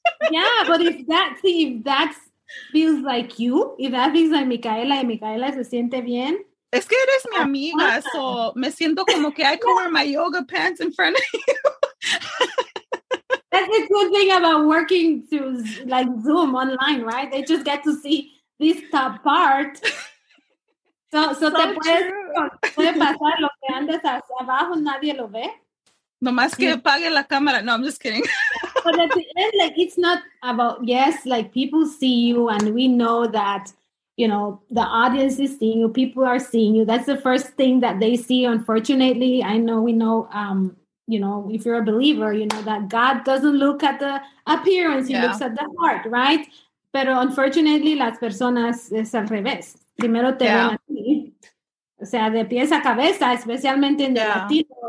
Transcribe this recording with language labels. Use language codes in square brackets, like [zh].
[en] Yeah, but if that's feels like you, if that feels like Micaela and Micaela [es] se siente bien. Es que eres mi amiga, [en] so [es] me siento como que [en] I can wear my yoga pants in front of you. That's the good thing about working through like Zoom online, right? They just get to see this top part. [es] So te puede pasar lo que andes hacia abajo, nadie lo ve. Nomás que apague la cámara. [en] No, I'm just kidding. But at the end, like, it's not about, yes, like, people see you and we know that, you know, the audience is seeing you, people are seeing you. That's the first thing that they see, unfortunately. I know we know, you know, if you're a believer, you know that God doesn't look at the appearance, he looks at the heart, right? [es] Pero [en] unfortunately, [es] las personas es al revés. Primero te ven a ti. O sea, de pies a cabeza, especialmente en el latino.